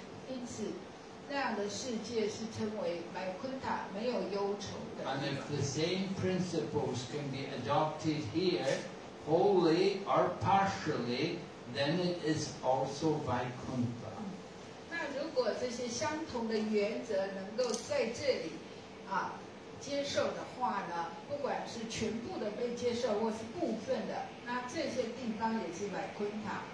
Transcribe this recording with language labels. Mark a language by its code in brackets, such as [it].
[zh] 因此，那样的世界是称为白昆塔，没有忧愁的。 [en] And if the same principles can be adopted here, wholly or partially, then it is also [zh] Vaikuntha。那如果这些相同的原则能够在这里啊接受的话呢，不管是全部的被接受或是部分的，那这些地方也是白昆塔。